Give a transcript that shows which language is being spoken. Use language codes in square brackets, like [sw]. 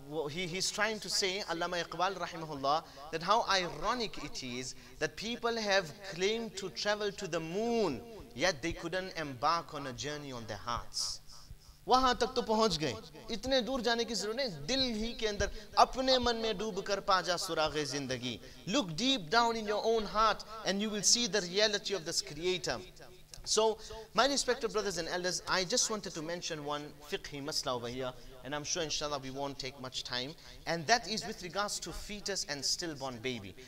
[en] He's trying to say, Allama Iqbal rahimahullah, that how ironic it is that people have claimed to travel to the moon, yet they couldn't embark on a journey on their hearts. [hi] वहां तक तो पहुंच गए, इतने दूर जाने की जरूरत नहीं, दिल ही के अंदर अपने मन में डूब कर पा जा सुराग़े ज़िंदगी. [en] Look deep down in your own heart and you will see the reality of this creator. So my respected brothers and elders, I just wanted to mention one fiqhi masla over here, and I'm sure inshallah we won't take much time, and that is with regards to fetus and stillborn baby.